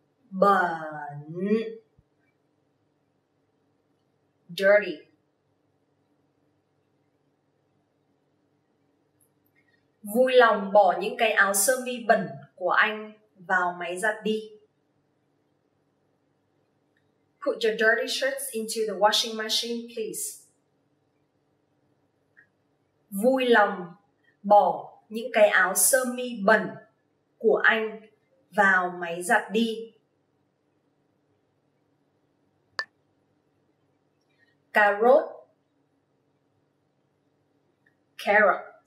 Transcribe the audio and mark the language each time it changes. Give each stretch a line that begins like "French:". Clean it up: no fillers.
Vietnamese: Bẩn.
English: Dirty.
Vietnamese: Vui lòng bỏ những cái áo sơ mi bẩn của anh vào máy giặt đi.
English: Put your dirty shirts into the washing machine, please.
Vietnamese: Vui lòng bỏ những cái áo sơ mi bẩn của anh vào máy giặt đi. Cà rốt,
English: carrot.